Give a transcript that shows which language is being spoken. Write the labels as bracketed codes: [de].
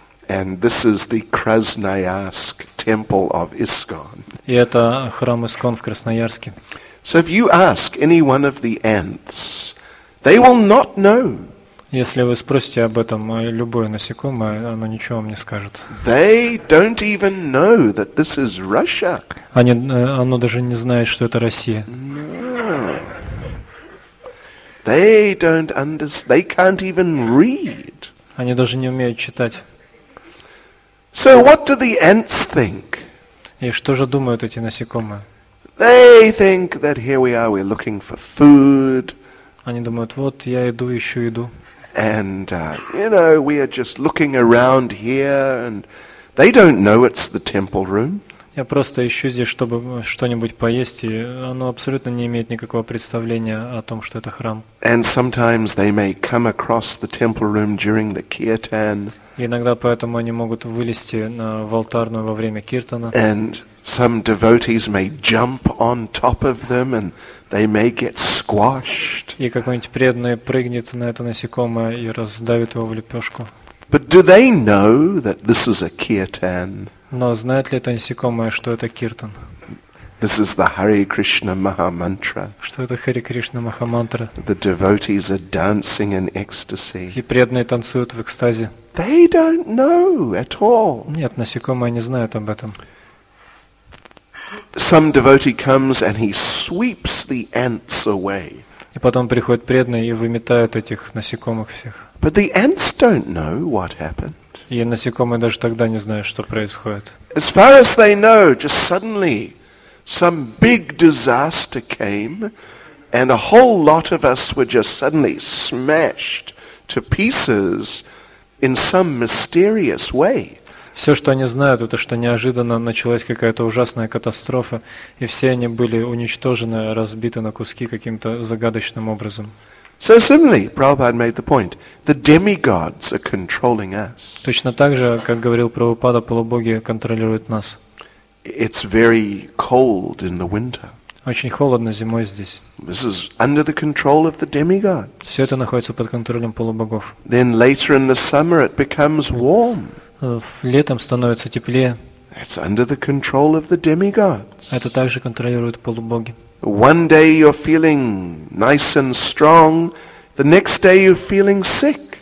[en] And this is the Krasnoyarsk temple of ISKCON. [ru] И это храм ИСКОН в Красноярске. [en] So if you ask any one of the ants, they will not know. [ru] Если вы спросите об этом любое насекомое, оно ничего вам не скажет. [en] They don't even know that this is Russia. [ru] Оно даже не знает, что это Россия. [en] They don't understand. They can't even read. [ru] Они даже не умеют читать. [en] So what do the ants think? [ru] И что же думают эти насекомые? [en] They think that here we are, we're looking for food. [ru] Они думают, вот я иду, ищу еду. [en] And you know, we are just looking around here, and they don't know it's the temple room. [ru] Я просто ищу здесь, чтобы что-нибудь поесть, и оно абсолютно не имеет никакого представления о том, что это храм. [en] And sometimes they may come across the temple room during the kirtan. [ru] Иногда поэтому они могут вылезти на алтарную во время киртана. [en] And some devotees may jump on top of them, and they may get squashed. [ru] И какой-нибудь преданный прыгнет на это насекомое и раздавит его в лепешку. [en] But do they know that this is a kirtan? [ru] Но знает ли это насекомое, что это киртан? [en] This is the Hare Krishna Maha Mantra. [ru] Что это Хари Кришна Маха Мантра? [en] The devotees are dancing in ecstasy. [ru] И преданные танцуют в экстазе. [en] They don't know at all. [ru] Нет, насекомые не знают об этом. [en] Some devotee comes and he sweeps the ants away. [ru] И потом приходит преданный и выметает этих насекомых всех. [en] But the ants don't know what happened. [ru] И насекомые даже тогда не знают, что происходит. [en] As far as they know, just suddenly some big disaster came, and a whole lot of us were just suddenly smashed to pieces in some mysterious way. [ru] Все, что они знают, это что неожиданно началась какая-то ужасная катастрофа, и все они были уничтожены, разбиты на куски каким-то загадочным образом. [en] So similarly, Prabhupada made the point: the demigods are controlling us. [ru] Точно так же, как говорил Прабхупада, полубоги контролируют нас. [en] It's very cold in the winter. [ru] Очень холодно зимой здесь. [en] This is under the control of the demigods. [ru] Все это находится под контролем полубогов. [en] Then later in the summer it becomes warm. [ru] Летом становится теплее. [en] It's under the control of the demigods. [ru] Это также контролируют полубоги. [en] One day you're feeling nice and strong, the next day you're feeling sick.